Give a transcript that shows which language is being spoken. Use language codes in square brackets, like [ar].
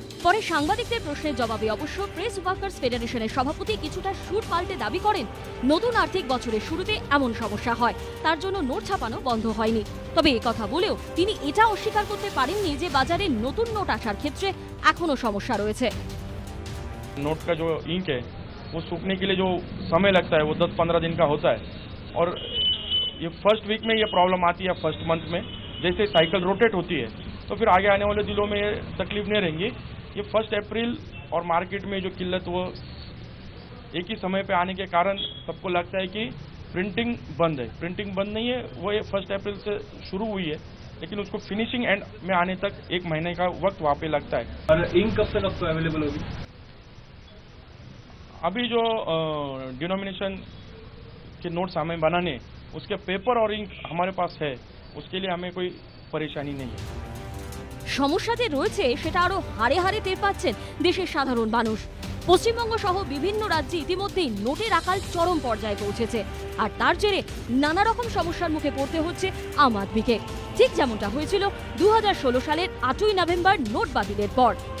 [bn] পরে সাংবাদিকদের প্রশ্নের জবাবে অবশ্য প্রেস ওয়ার্কার্স ফেডারেশনের সভাপতি কিছুটা সুর পাল্টে দাবি করেন, নতুন আর্থিক বছরের শুরুতে এমন সমস্যা হয়, তার জন্য নোট ছাপানো বন্ধ হয়নি। তবে এ কথা বলেও তিনি এটা অস্বীকার করতে পারেননি যে বাজারে নতুন নোট আসার ক্ষেত্রে এখনো সমস্যা রয়েছে। [hi] নোট কা জো ইঙ্ক হ্যায় वो सूखने के लिए जो समय लगता है वो 10-15 दिन का होता है, और ये फर्स्ट वीक में ये प्रॉब्लम आती है, फर्स्ट मंथ में जैसे साइकिल रोटेट होती है तो फिर आगे आने वाले दिनों में ये तकलीफ नहीं रहेंगी। ये 1 अप्रैल और मार्केट में जो किल्लत वो एक ही समय पे आने के कारण सबको लगता है कि प्रिंटिंग बंद है। प्रिंटिंग बंद नहीं है, वो ये 1 अप्रैल से शुरू हुई है लेकिन उसको फिनिशिंग एंड में आने तक 1 महीने का वक्त वहाँ पे लगता है। और इंक कब तक आपको अवेलेबल होगी? अभी जो डिनोमिनेशन के नोट हमें बनाने उसके पेपर और इंक हमारे पास है, उसके लिए हमें कोई परेशानी नहीं है। [bn] সমস্যা যে রয়েছে সেটা আরো হাড়ে হাড়ে টের পাচ্ছেন দেশের সাধারণ মানুষ। পশ্চিমবঙ্গ সহ বিভিন্ন রাজ্যে ইতিমধ্যেই নোটের আকাল চরম পর্যায়ে পৌঁছেছে, আর তার জেরে নানা রকম সমস্যার মুখে পড়তে হচ্ছে আম আদমিকে। ঠিক যেমনটা হয়েছিল 2016 সালের 8ই নভেম্বর নোট বাতিলের পর।